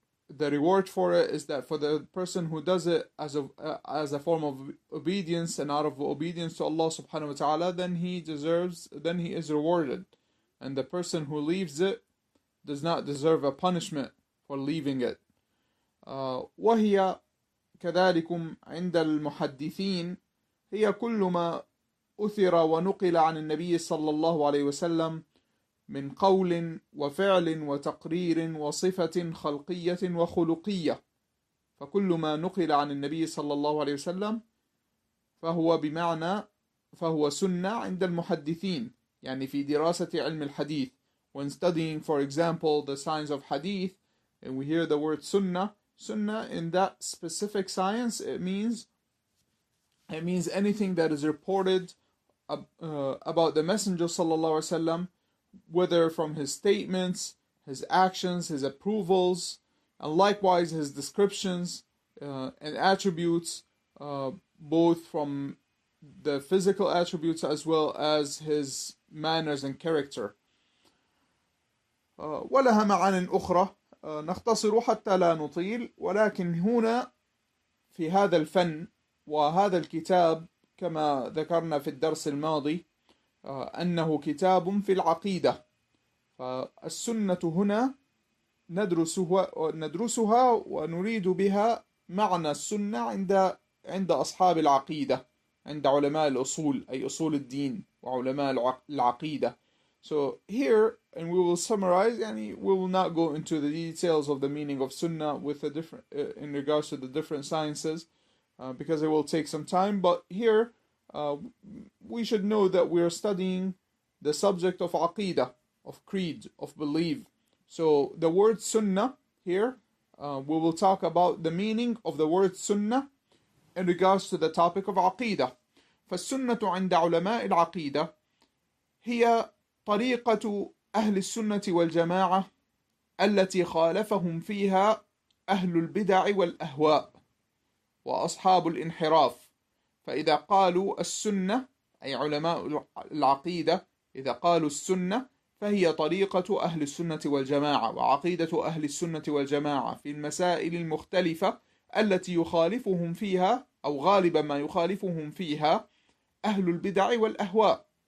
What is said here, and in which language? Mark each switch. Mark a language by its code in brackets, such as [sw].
[en] The reward for it is that for the person who does it as a form of obedience and out of obedience to Allah [ar] subhanahu wa ta'ala, [en] then he is rewarded. And the person who leaves it does not deserve a punishment for leaving it. [ar] وهي كذلكم عند المحدثين هي كل ما أثر ونقل عن النبي صلى الله عليه وسلم من قول وفعل وتقرير وصفة خلقية وخلقية، فكل ما نقل عن النبي صلى الله عليه وسلم فهو سنة عند المحدثين، يعني في دراسة علم الحديث. [en] When studying, for example, the science of hadith, and we hear the word sunnah in that specific science, it means anything that is reported about the Messenger [ar] صلى الله عليه وسلم, [en] whether from his statements, his actions, his approvals, and likewise his descriptions and attributes, both from the physical attributes as well as his manners and character. [ar] ولها معان أخرى نختصر حتى لا نطيل، ولكن هنا في هذا الفن وهذا الكتاب كما ذكرنا في الدرس الماضي أنه كتاب في العقيدة، فالسنة هنا ندرسها ونريد بها معنى السنة عند أصحاب العقيدة، عند علماء الأصول أي أصول الدين وعلماء العقيدة. [en] So here, and we will summarize, يعني we will not go into the details of the meaning of sunnah with a different in regards to the different sciences, because it will take some time. But here, we should know that we are studying the subject of aqidah, of creed, of belief. So the word sunnah here, we will talk about the meaning of the word sunnah in regards to the topic of aqidah. [ar] فالسنة عند علماء العقيدة هي طريقة أهل السنة والجماعة التي خالفهم فيها أهل البدع والأهواء وأصحاب الانحراف. فإذا قالوا السنة أي علماء العقيدة إذا قالوا السنة فهي طريقة أهل السنة والجماعة وعقيدة أهل السنة والجماعة في المسائل المختلفة التي يخالفهم فيها أو غالبا ما يخالفهم فيها أهل البدع والأهواء.